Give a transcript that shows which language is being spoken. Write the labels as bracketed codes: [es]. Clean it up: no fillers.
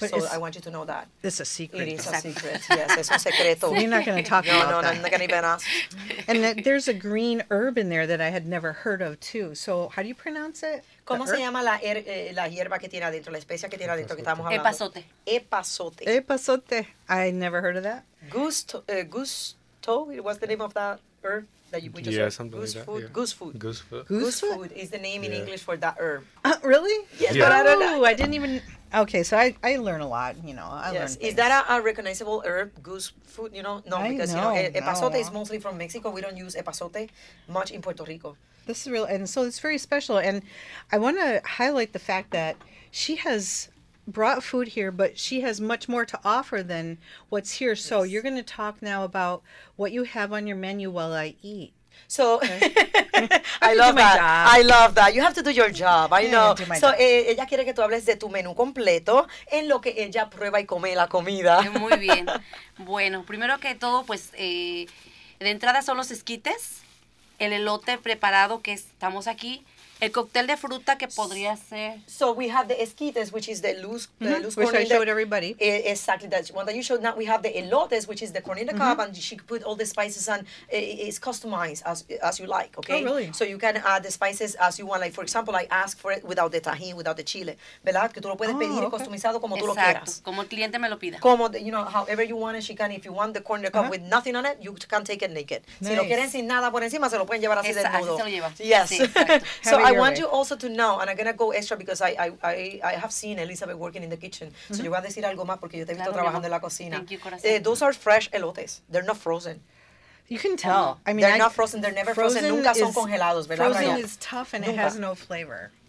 [en] But so I want you to know that. It's a secret. It is a secret. Yes, [es] es un secreto. [en] You're not going to talk no, about that. No, not going to even ask. And there's a green herb in there that I had never heard of, too. So how do you pronounce it? [es] ¿Cómo se llama la hierba que tiene adentro, la especia que tiene adentro que estamos hablando? Epazote. Epazote. [en] Epazote. I never heard of that. Gusto. What's the name of that herb? That you, we just yeah, something goose like food, that. Goose food is the name in English for that herb. Really? Yes, yeah. But I don't know. I didn't even... Okay, so I learn a lot, you know. Is that a recognizable herb, goose food, you know? No, I because, know, you know, epazote is mostly from Mexico. We don't use epazote much in Puerto Rico. This is real, and so it's very special. And I want to highlight the fact that she has... brought food here, but she has much more to offer than what's here. So yes. You're going to talk now about what you have on your menu while I eat. So okay. I love that. You have to do your job. I know. Yeah, [es] so ella quiere que tú hables de tu menú completo en lo que ella prueba y come la comida. Muy bien. Bueno, primero que todo, pues de entrada son los esquites, el elote preparado que estamos aquí. El cóctel de fruta que podría ser. [en] So we have the esquites, which is the loose, loose which corn. Which I showed everybody. Exactly, that one that you showed. Now we have the elotes, which is the corn in the cup, and she put all the spices on. It's customized as you like, okay? Oh, really? So you can add the spices as you want. Like, for example, I ask for it without the tajín, without the chile. [es] ¿Verdad? Que tú lo puedes pedir customizado como exacto. Tú lo quieras. Exacto, como el cliente me lo pida. [en] Como, you know, however you want it, she can. If you want the corn in the cup with nothing on it, you can take it naked. Nice. [es] Si lo quieren sin nada por encima, se lo pueden llevar así desnudo. Así se lo lleva. [en] Yes. [es] Sí, [en] I want you also to know, and I'm going to go extra because I have seen Elizabeth working in the kitchen. [es] Mm-hmm. So you voy a decir algo más porque yo te he visto trabajando en la cocina. [en] Thank you, corazón. Those are fresh elotes. They're not frozen. You can tell. I mean, they're not frozen. They're never frozen. [es] Nunca son congelados, ¿verdad? [en] Frozen is tough and it has no flavor.